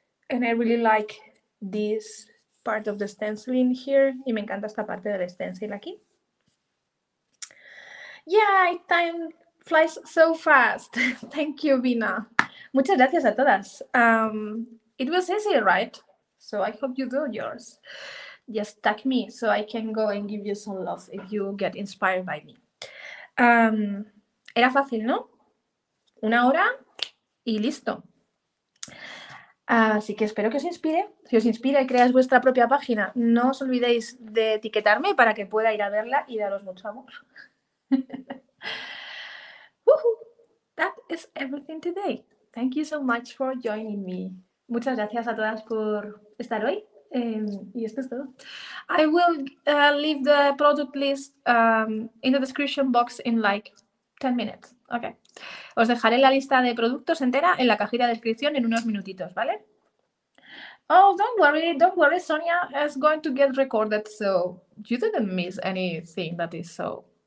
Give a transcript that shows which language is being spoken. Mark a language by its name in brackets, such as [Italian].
[English] And I really like this part of the stenciling here. [Spanish] Y me encanta esta parte del stencil aquí. [English] Yeah, time flies so fast. Thank you, Vina. [Spanish] Muchas gracias a todas. [English] It was easy, right? So I hope you do yours. Just tag me so I can go and give you some love if you get inspired by me. [Spanish] Era fácil, ¿no? Una hora y listo. Así que espero que os inspire. Si os inspira y creáis vuestra propia página, no os olvidéis de etiquetarme para que pueda ir a verla y daros mucho amor. [English] That is everything today. Thank you so much for joining me. [Spanish] Muchas gracias a todas por estar hoy. Y esto es todo. [English] I will leave the product list in the description box in like 10 minutes. Okay. [Spanish] Os dejaré la lista de productos entera en la cajita de descripción en unos minutitos, ¿vale? [English] Oh, don't worry, Sonia is going to get recorded, so you didn't miss anything that is so.